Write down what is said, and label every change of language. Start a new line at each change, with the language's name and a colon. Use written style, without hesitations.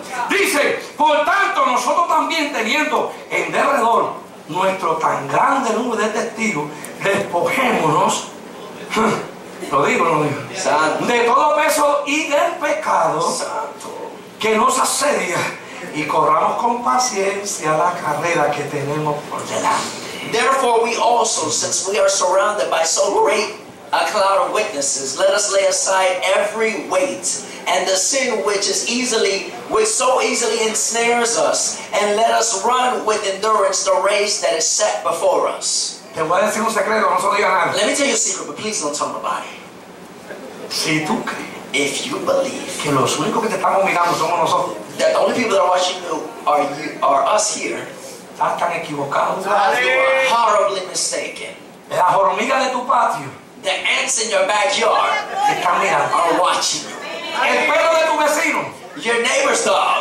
Spanish: Dice, por tanto, nosotros también teniendo en derredor nuestro tan grande nube de testigos, despojémonos, lo digo, Santo. De todo peso y del pecado, Santo, que nos asedia, y corramos con paciencia la carrera que tenemos por delante.
English: Therefore we also, since we are surrounded by so great a cloud of witnesses, let us lay aside every weight and the sin which so easily ensnares us, and let us run with endurance the race that is set before us.
Spanish: Te voy a decir un secreto, no se lo digas a nadie.
English: Let me tell you a secret, but please don't tell nobody.
Spanish: Si tú crees,
English: if you believe
Spanish: que los únicos que te estamos mirando somos nosotros,
English: that the only people that are watching you are us here,
Spanish: estás tan equivocado.
English: Vale. You are horribly mistaken.
Spanish: La hormiga de tu patio,
English: the ants in your backyard,
Spanish: están mirando,
English: are watching you.
Spanish: El perro de tu vecino,
English: your neighbor's dog,